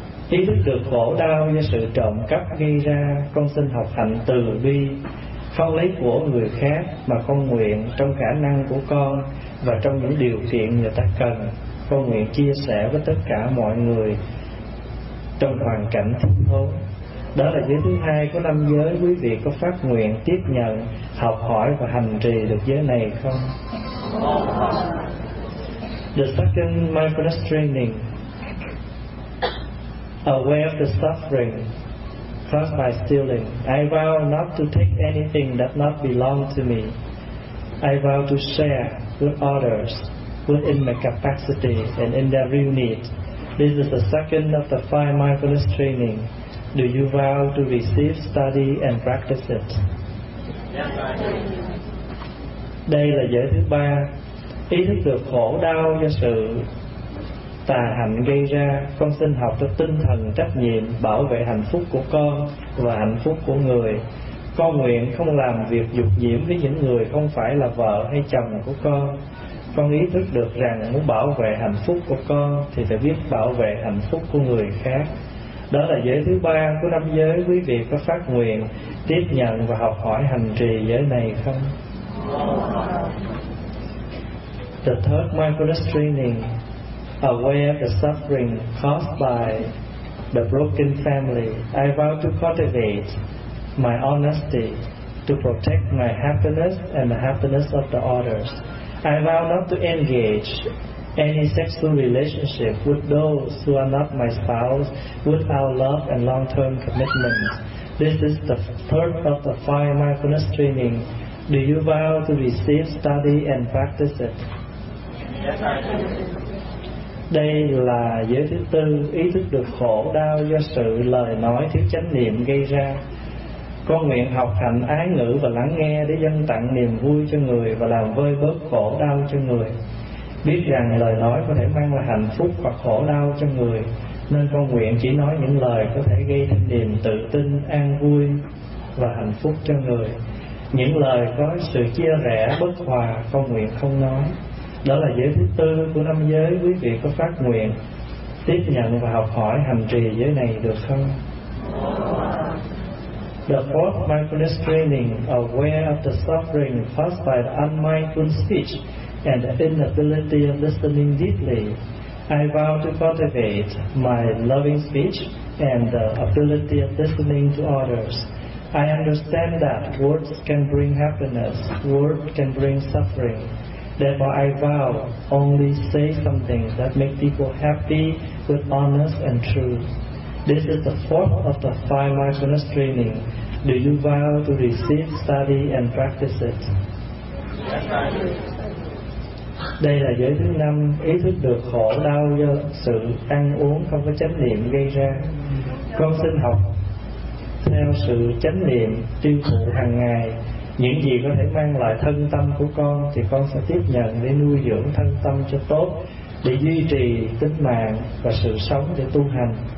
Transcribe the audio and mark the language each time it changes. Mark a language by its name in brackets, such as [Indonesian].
[Vietnamese] Ý thức được khổ đau do sự trộm cắp gây ra, con xin học hạnh từ bi, không lấy của người khác, mà con nguyện trong khả năng của con và trong những điều kiện người ta cần, con nguyện chia sẻ với tất cả mọi người trong hoàn cảnh thiếu thốn. Đó là giới thứ hai của năm giới. Quý vị có phát nguyện tiếp nhận học hỏi và hành trì được giới này không? [English] The second mindfulness training, aware of the suffering caused by stealing. I vow not to take anything that not belong to me. I vow to share with others within my capacity and in their real need. This is the second of the five mindfulness training. Do you vow to receive, study and practice it? [Vietnamese] Đây là giới thứ ba, ý thức được khổ đau do sự tà hạnh gây ra. Con xin học cho tinh thần trách nhiệm bảo vệ hạnh phúc của con và hạnh phúc của người. Con nguyện không làm việc dục nhiễm với những người không phải là vợ hay chồng của con. Con ý thức được rằng muốn bảo vệ hạnh phúc của con thì phải biết bảo vệ hạnh phúc của người khác. Đó là giới thứ ba của năm giới. Quý vị có phát nguyện tiếp nhận và học hỏi hành trì giới này không? [English] The third mindfulness training, aware of the suffering caused by the broken family. I vow to cultivate my honesty to protect my happiness and the happiness of the others. I vow not to engage any sexual relationship with those who are not my spouse without love and long-term commitment. This is the third of the five mindfulness training. Do you vow to receive, study and practice it? Yes, I do. [Vietnamese] Đây là giới thứ tư, ý thức được khổ đau do sự lời nói thiếu chánh niệm gây ra. Con nguyện học hành ái ngữ và lắng nghe để dâng tặng niềm vui cho người và làm vơi bớt khổ đau cho người. Biết rằng lời nói có thể mang lại hạnh phúc hoặc khổ đau cho người, nên con nguyện chỉ nói những lời có thể gây thêm niềm tự tin, an vui và hạnh phúc cho người. Những lời có sự chia rẽ, bất hòa, con nguyện không nói. Đó là giới thứ tư của năm giới. Quý vị có phát nguyện tiếp nhận và học hỏi hành trì giới này được không? [English] The fourth mindfulness training, aware of the suffering caused by the unmindful speech and the inability of listening deeply. I vow to cultivate my loving speech and the ability of listening to others. I understand that words can bring happiness, words can bring suffering. Therefore, I vow only say something that makes people happy with honest and truth. This is the fourth of the five mindfulness training. Do you vow to receive, study and practice it? [Vietnamese] Đây là giới thứ năm, ý thức được khổ đau do sự ăn uống không có chánh niệm gây ra. Con xin học theo sự chánh niệm tiêu thụ hàng ngày. Những gì có thể mang lại thân tâm của con thì con sẽ tiếp nhận để nuôi dưỡng thân tâm cho tốt, để duy trì tính mạng và sự sống để tu hành.